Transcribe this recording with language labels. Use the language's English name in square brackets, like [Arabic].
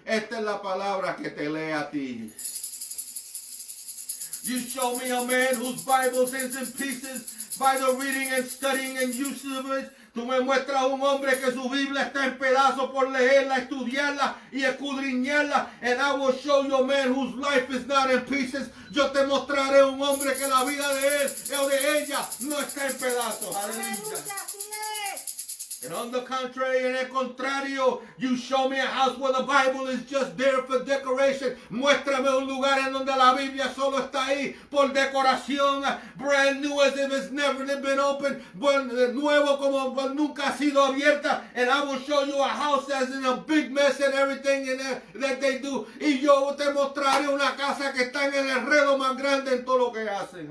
[Spanish] Esta es la palabra que te lee a ti. [English] You show me a man whose Bible stands in pieces by the reading and studying and use of it. [Spanish] Tú me muestras un hombre que su Biblia está en pedazos por leerla, estudiarla y escudriñarla. [English] And I will show you a man whose life is not in pieces. [Spanish] Yo te mostraré un hombre que la vida de él o de ella no está en pedazos. Aleluya. [English] And on the contrary, [Spanish] en el contrario, [English] you show me a house where the Bible is just there for decoration. [Spanish] Muéstrame un lugar en donde la Biblia solo está ahí por decoración. [English] Brand new as if it's never been opened. [Spanish] Bueno, nuevo como nunca ha sido abierta. [English] And I will show you a house that's in a big mess and everything in there that they do. [Spanish] Y yo te mostraré una casa que está en el enredo más grande en todo lo que hacen.